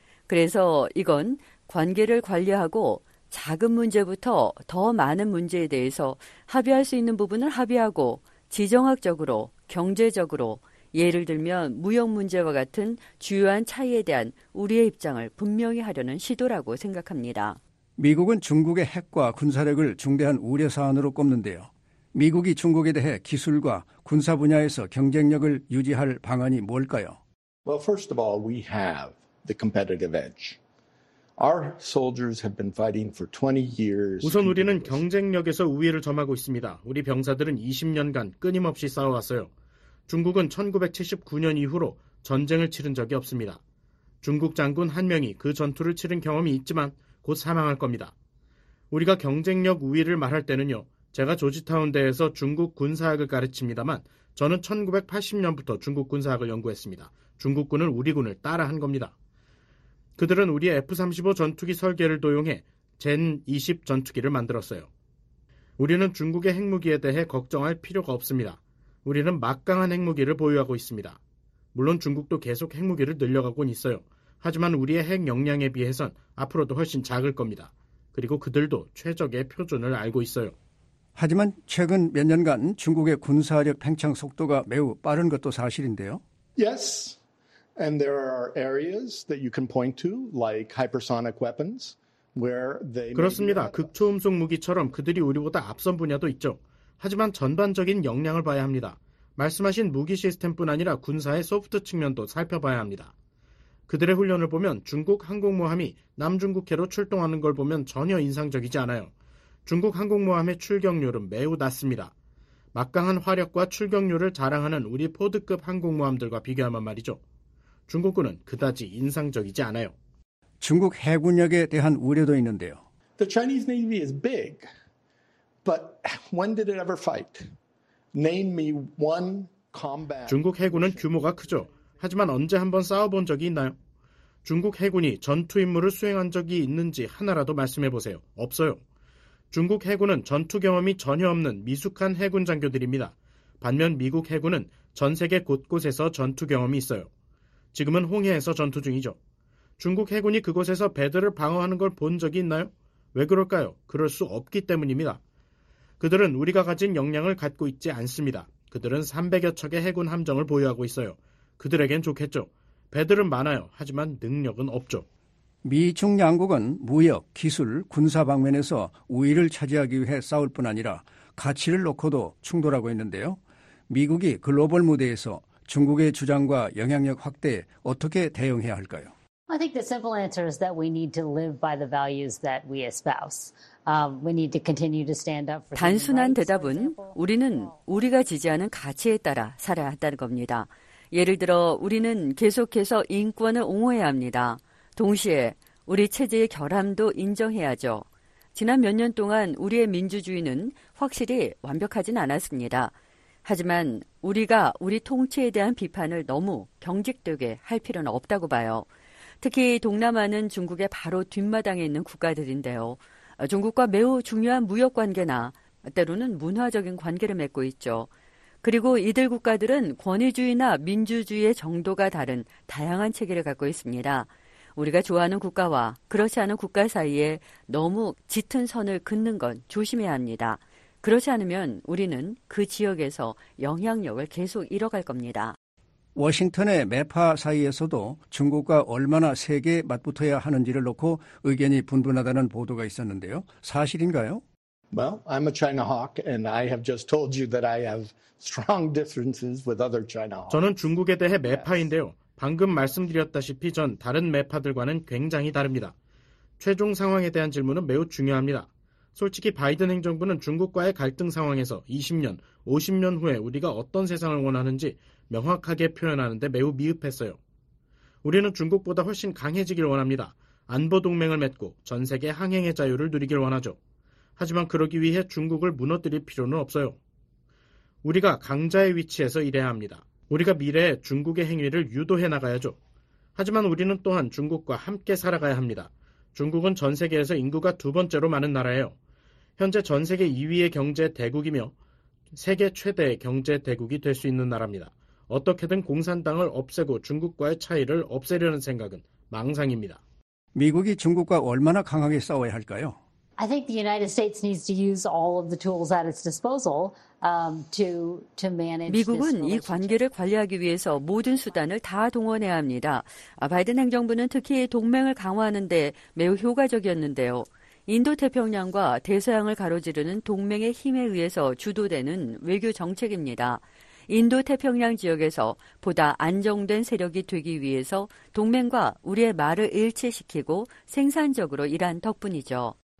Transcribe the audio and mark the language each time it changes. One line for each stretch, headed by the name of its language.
Korean: 그래서 이건 관계를 관리하고 작은 문제부터 더 많은 문제에 대해서 합의할 수 있는 부분을 합의하고 지정학적으로, 경제적으로, 예를 들면 무역 문제와 같은 주요한 차이에 대한 우리의 입장을 분명히 하려는 시도라고 생각합니다. 미국은 중국의 핵과 군사력을 중대한 우려사안으로 꼽는데요. 미국이 중국에 대해 기술과 군사 분야에서 경쟁력을 유지할 방안이 뭘까요?
English: Well, first of all, we have the competitive edge. Our soldiers have been fighting for 20 years.
Korean: 우선 우리는 경쟁력에서 우위를 점하고 있습니다. 우리 병사들은 20년간 끊임없이 싸워왔어요. 중국은 1979년 이후로 전쟁을 치른 적이 없습니다. 중국 장군 한 명이 그 전투를 치른 경험이 있지만 곧 사망할 겁니다. 우리가 경쟁력 우위를 말할 때는요. 제가 조지타운대에서 중국 군사학을 가르칩니다만 저는 1980년부터 중국 군사학을 연구했습니다. 중국군은 우리군을 따라한 겁니다. 그들은 우리 F-35 전투기 설계를 도용해 젠-20 전투기를 만들었어요. 우리는 중국의 핵무기에 대해 걱정할 필요가 없습니다. 우리는 막강한 핵무기를 보유하고 있습니다. 물론 중국도 계속 핵무기를 늘려가곤 있어요. 하지만 우리의 핵 역량에 비해선 앞으로도 훨씬 작을 겁니다. 그리고 그들도 최적의 표준을 알고 있어요. 하지만 최근 몇 년간 중국의 군사력 팽창 속도가 매우 빠른 것도 사실인데요.
English: Yes, and there are areas that you can point to, like hypersonic weapons, where they.
Korean: 그렇습니다. 극초음속 무기처럼 그들이 우리보다 앞선 분야도 있죠. 하지만 전반적인 역량을 봐야 합니다. 말씀하신 무기 시스템뿐 아니라 군사의 소프트 측면도 살펴봐야 합니다. 그들의 훈련을 보면 중국 항공모함이 남중국해로 출동하는 걸 보면 전혀 인상적이지 않아요. 중국 항공모함의 출격률은 매우 낮습니다. 막강한 화력과 출격률을 자랑하는 우리 포드급 항공모함들과 비교하면 말이죠. 중국군은 그다지 인상적이지 않아요. 중국 해군력에 대한 우려도 있는데요.
English: The Chinese Navy is big, but when did it ever fight? Name me one combat.
Korean: 중국 해군은 규모가 크죠. 하지만 언제 한번 싸워본 적이 있나요? 중국 해군이 전투 임무를 수행한 적이 있는지 하나라도 말씀해 보세요. 없어요. 중국 해군은 전투 경험이 전혀 없는 미숙한 해군 장교들입니다. 반면 미국 해군은 전 세계 곳곳에서 전투 경험이 있어요. 지금은 홍해에서 전투 중이죠. 중국 해군이 그곳에서 배들을 방어하는 걸 본 적이 있나요? 왜 그럴까요? 그럴 수 없기 때문입니다. 그들은 우리가 가진 역량을 갖고 있지 않습니다. 그들은 300여 척의 해군 함정을 보유하고 있어요. 그들에겐 좋겠죠. 배들은 많아요. 하지만 능력은 없죠. 미중 양국은 무역, 기술, 군사 방면에서 우위를 차지하기 위해 싸울 뿐 아니라 가치를 놓고도 충돌하고 있는데요. 미국이 글로벌 무대에서 중국의 주장과 영향력 확대에 어떻게 대응해야 할까요?
English: I think the simple answer is that we need to live by the values that we espouse. We need to continue to stand up for.
Korean: 단순한 대답은 우리는 우리가 지지하는 가치에 따라 살아야 한다는 겁니다. 예를 들어 우리는 계속해서 인권을 옹호해야 합니다. 동시에 우리 체제의 결함도 인정해야죠. 지난 몇 년 동안 우리의 민주주의는 확실히 완벽하진 않았습니다. 하지만 우리가 우리 통치에 대한 비판을 너무 경직되게 할 필요는 없다고 봐요. 특히 동남아는 중국의 바로 뒷마당에 있는 국가들인데요. 중국과 매우 중요한 무역관계나 때로는 문화적인 관계를 맺고 있죠. 그리고 이들 국가들은 권위주의나 민주주의의 정도가 다른 다양한 체계를 갖고 있습니다. 우리가 좋아하는 국가와 그렇지 않은 국가 사이에 너무 짙은 선을 긋는 건 조심해야 합니다. 그렇지 않으면 우리는 그 지역에서 영향력을 계속 잃어갈 겁니다. 워싱턴의 매파 사이에서도 중국과 얼마나 세게 맞붙어야 하는지를 놓고 의견이 분분하다는 보도가 있었는데요. 사실인가요?
English: Well, I'm a China hawk and I have just told you that I have strong differences with other China hawks.
Korean: 저는 중국에 대해 매파인데요. 방금 말씀드렸다시피 전 다른 매파들과는 굉장히 다릅니다. 최종 상황에 대한 질문은 매우 중요합니다. 솔직히 바이든 행정부는 중국과의 갈등 상황에서 20년, 50년 후에 우리가 어떤 세상을 원하는지 명확하게 표현하는 데 매우 미흡했어요. 우리는 중국보다 훨씬 강해지길 원합니다. 안보 동맹을 맺고 전 세계 항행의 자유를 누리길 원하죠. 하지만 그러기 위해 중국을 무너뜨릴 필요는 없어요. 우리가 강자의 위치에서 일해야 합니다. 우리가 미래에 중국의 행위를 유도해 나가야죠. 하지만 우리는 또한 중국과 함께 살아가야 합니다. 중국은 전 세계에서 인구가 두 번째로 많은 나라예요. 현재 전 세계 2위의 경제 대국이며 세계 최대의 경제 대국이 될 수 있는 나라입니다. 어떻게든 공산당을 없애고 중국과의 차이를 없애려는 생각은 망상입니다. 미국이 중국과 얼마나 강하게 싸워야 할까요?
English: I think the United States needs to use all of the tools at its disposal to manage.
Korean: 미국은 이 관계를 관리하기 위해서 모든 수단을 다 동원해야 합니다. 바이든 행정부는 특히 동맹을 강화하는 데 매우 효과적이었는데요. 인도태평양과 대서양을 가로지르는 동맹의 힘에 의해서 주도되는 외교 정책입니다. 인도태평양 지역에서 보다 안정된 세력이 되기 위해서 동맹과 우리의 말을 일치시키고 생산적으로 일한 덕분이죠.